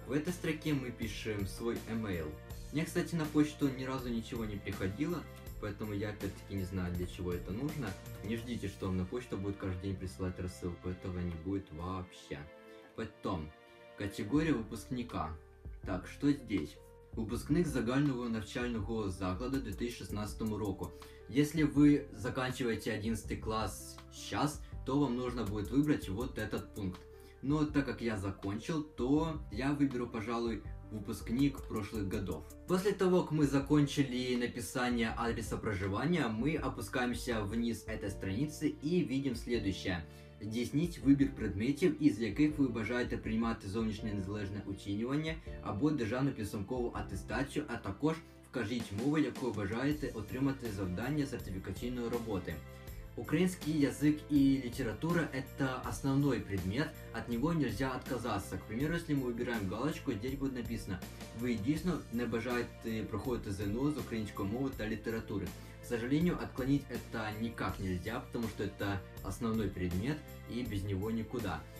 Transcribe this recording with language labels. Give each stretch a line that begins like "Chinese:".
Russian: В этой строке мы пишем свой email. Мне, кстати, на почту ни разу ничего не приходило, поэтому я опять-таки не знаю, для чего это нужно. Не ждите, что вам на почту будет каждый день присылать рассылку, этого не будет вообще. Потом, категория выпускника. Так, что здесь? Выпускник
Ukrainian: загального навчального заклада 2016 року.
Russian: Если вы заканчиваете 11 класс сейчас, то вам нужно будет выбрать вот этот пункт. Но так как я закончил, то я выберу, пожалуй, выпускник прошлых годов. После того, как мы закончили написание адреса проживания, мы опускаемся вниз этой страницы и видим следующее. Здесь нить выбор предметов,
Ukrainian: из яких вы бажаете принимать зовнішнє незалежне оцінювання або державну підсумкову атестацію, а також вкажіть мову, якою бажаєте отримати завдання сертифікаційної роботи.
Russian: Украинский язык и литература – это основной предмет, от него нельзя отказаться. К примеру, если мы выбираем галочку, здесь будет написано «Вы действительно не бажаете проходить ЗНО с украинской мовы и литературы». К сожалению, отклонить это никак нельзя, потому что это основной предмет и без него никуда.